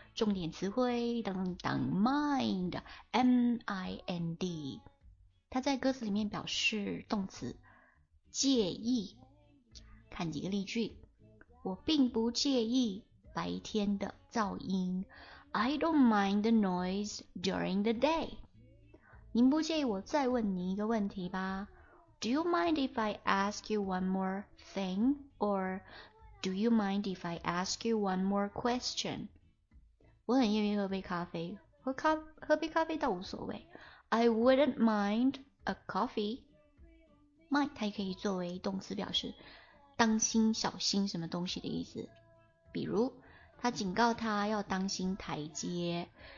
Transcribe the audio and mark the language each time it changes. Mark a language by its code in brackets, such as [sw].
[zh] 重点词汇当当 mind M-I-N-D， 它在歌词里面表示动词介意。看几个例句，我并不介意白天的噪音。 [en] I don't mind the noise during the day. [zh] 您不介意我再问你一个问题吧？ [en] Do you mind if I ask you one more thing? Or do you mind if I ask you one more question? [zh] 我很愿意喝杯咖啡，喝杯咖啡倒无所谓。 [en] I wouldn't mind a coffee. [zh] Mind 它也可以作为动词表示当心小心什么东西的意思，比如他警告他要当心台阶。